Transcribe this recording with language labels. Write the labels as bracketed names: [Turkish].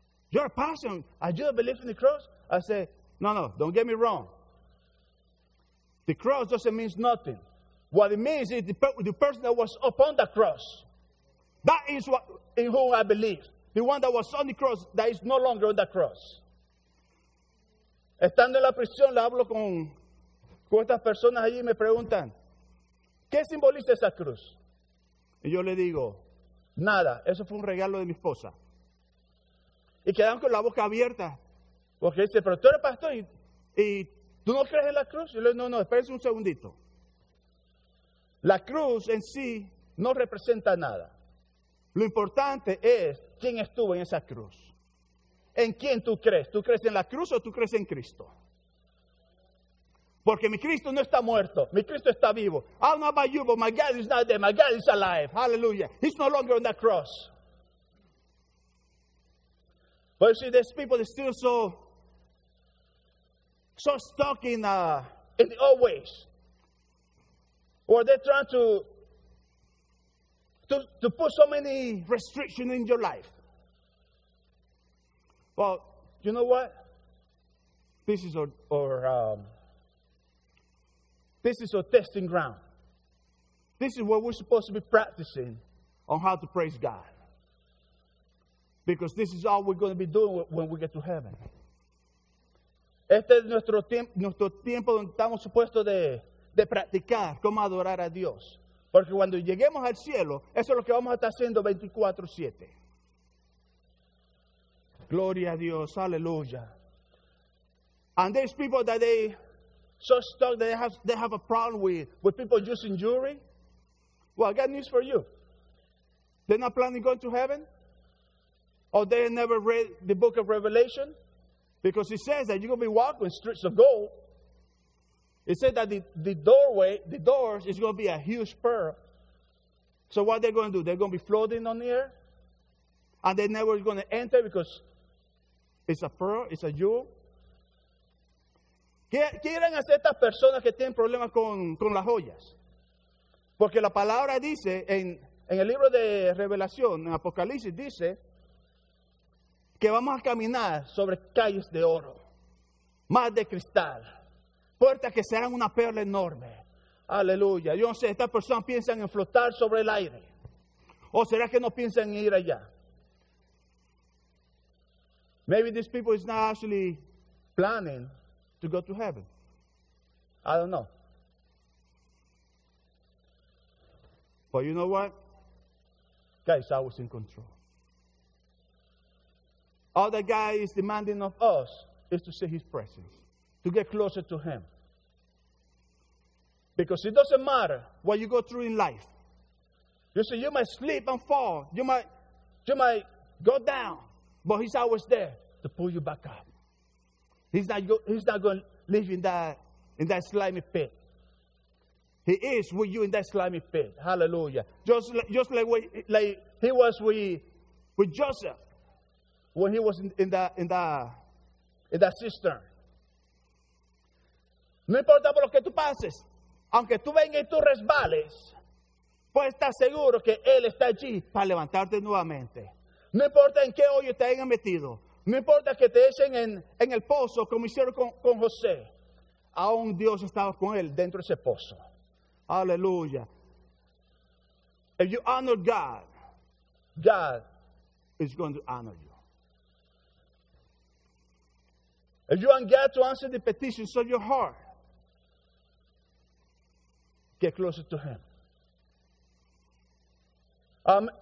[English] You're a pastor, and you don't believe in the cross? I said, no, don't get me wrong. The cross doesn't mean nothing. What it means is the person that was upon the cross. That is what in whom I believe. The one that was on the cross that is no longer on the cross. [Spanish] Estando en la prisión, le hablo con estas personas allí y me preguntan, ¿qué simboliza esa cruz? Y yo le digo, nada, eso fue un regalo de mi esposa. Y quedan con la boca abierta. Porque dice, pero tú eres pastor y ¿tú no crees en la cruz? Yo le digo, no, espérense un segundito. La cruz en sí no representa nada. Lo importante es quién estuvo en esa cruz. ¿En quién tú crees? ¿Tú crees en la cruz o tú crees en Cristo? Porque mi Cristo no está muerto. Mi Cristo está vivo. [English] I don't know about you, but my God is not dead. My God is alive. Hallelujah. He's no longer on that cross. But you see, these people are still so stuck in the old ways. Or they're trying to put so many restrictions in your life. Well, you know what? This is our testing ground. This is what we're supposed to be practicing on how to praise God. Because this is all we're going to be doing when we get to heaven. [Spanish] Este es nuestro tiempo donde estamos supuestos de practicar cómo adorar a Dios. Porque cuando lleguemos al cielo, eso es lo que vamos a estar haciendo 24/7. Gloria a Dios, aleluya. [English] And these people that they so stuck that they have a problem with people using jewelry. Well, I got news for you. They're not planning going to heaven. Or they never read the book of Revelation. Because it says that you're going to be walking with streets of gold. It said that the doors is going to be a huge pearl. So what they're going to do? They're going to be floating on the air. And they're never going to enter because it's a pearl, it's a jewel. [Spanish] ¿Qué quieren hacer estas personas que tienen problemas con las joyas? Porque la palabra dice, en el libro de Revelación, en Apocalipsis, dice que vamos a caminar sobre calles de oro, mar de cristal. Puertas que serán una perla enorme. Aleluya. Yo no sé, estas personas piensan en flotar sobre el aire. ¿O será que no piensan en ir allá? [English] Maybe these people is not actually planning to go to heaven. I don't know. But you know what? God is always in control. All that God is demanding of us is to see His presence, to get closer to Him. Because it doesn't matter what you go through in life. You see, you might slip and fall. You might go down. But He's always there to pull you back up. He's not going to leave you in that slimy pit. He is with you in that slimy pit. Hallelujah. Just like He was with Joseph when he was in that cistern. [Spanish] No importa por lo que tú pases. Aunque tú vengas y tú resbales, pues estás seguro que Él está allí para levantarte nuevamente. No importa en qué hoyo te hayan metido, No importa que te echen en el pozo como hicieron con José. Aún Dios estaba con él dentro de ese pozo. Aleluya. [English] If you honor God, God is going to honor you. If you want God to answer the petitions of your heart, get closer to Him.